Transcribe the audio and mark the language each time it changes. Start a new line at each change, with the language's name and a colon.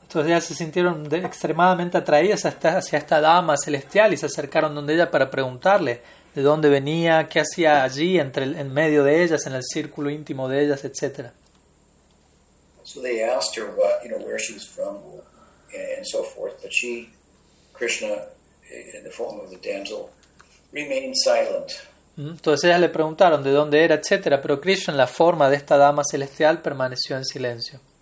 Spanish: Entonces ellas se sintieron extremadamente atraídas hacia esta dama celestial y se acercaron donde ella para preguntarle de dónde venía, qué hacía allí en medio de ellas, en el círculo íntimo de ellas, etc.
English: So they asked her what, you know, where she was from and so forth, but she, Krishna, in the form of the damsel, remained silent.
Spanish: Entonces ellas le preguntaron de dónde era, etc., pero Krishna, en la forma de esta dama celestial, permaneció en silencio.